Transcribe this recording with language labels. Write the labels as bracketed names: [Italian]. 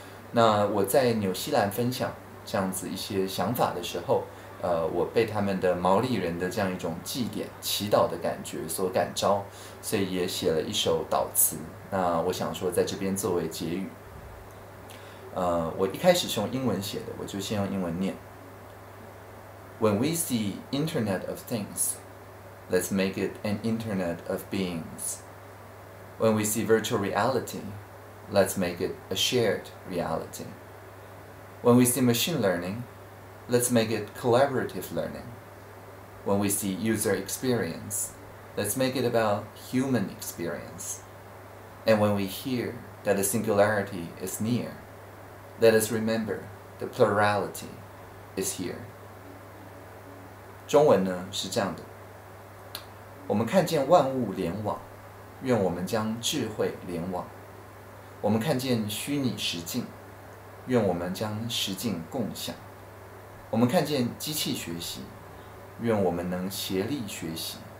[Chinese] 那我在纽西兰分享这样子一些想法的时候，我被他们的毛利人的这样一种祭典、祈祷的感觉所感召，所以也写了一首祷词。那我想说，在这边作为结语，我一开始是用英文写的，我就先用英文念。 [English] When we see Internet of Things, let's make it an Internet of Beings. When we see virtual reality, let's make it a shared reality. When we see machine learning, let's make it collaborative learning. When we see user experience, let's make it about human experience. And when we hear that a singularity is near, let us remember the plurality is here. [Chinese] 中文呢，是这样的。我们看见万物联网，愿我们将智慧联网。我们看见虚拟实境，愿我们将实境共享。我们看见机器学习，愿我们能协力学习。